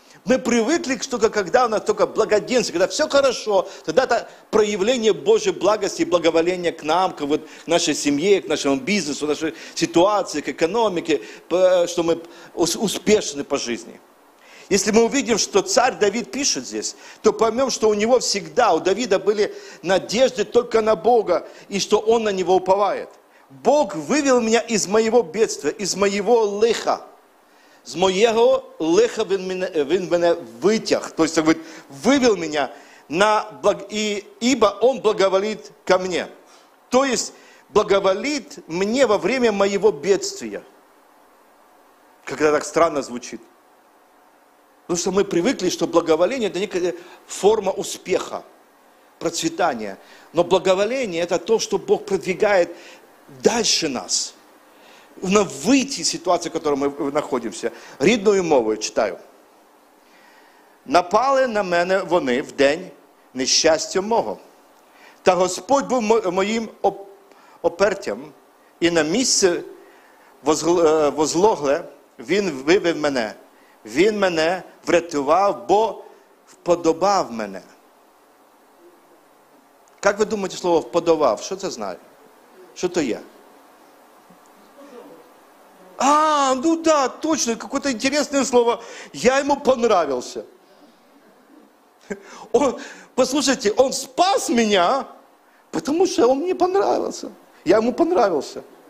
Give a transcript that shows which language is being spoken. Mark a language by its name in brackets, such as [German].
[Russian] Мы привыкли, что когда у нас только благоденствие, когда все хорошо, тогда это проявление Божьей благости и благоволения к нам, к вот нашей семье, к нашему бизнесу, к нашей ситуации, к экономике, что мы успешны по жизни. Если мы увидим, что царь Давид пишет здесь, то поймем, что у него всегда, у Давида были надежды только на Бога, и что он на него уповает. Бог вывел меня из моего бедствия, из моего лиха. С моего лиха [Ukrainian] він мене витяг. [Russian] То есть, говорит, вывел меня, на благ... и, ибо он благоволит ко мне. То есть, благоволит мне во время моего бедствия. Когда так странно звучит. Потому что мы привыкли, что благоволение – это некая форма успеха, процветания. Но благоволение – это то, что Бог продвигает дальше нас. На выйти из ситуации, в которой мы находимся. [Ukrainian] Рідною мовою читаю. «Напали на мене вони в день нещастя мого, та Господь був моїм опертям, і на місце возлогле він вивів мене. Він мене врятував, бо вподобав мене». Як ви думаєте слово «вподобав»? Що це знає? Що то є? [Russian] А, ну да, точно, какое-то интересное слово. Я ему понравился. Он, послушайте, он спас меня, потому что он мне понравился. Я ему понравился.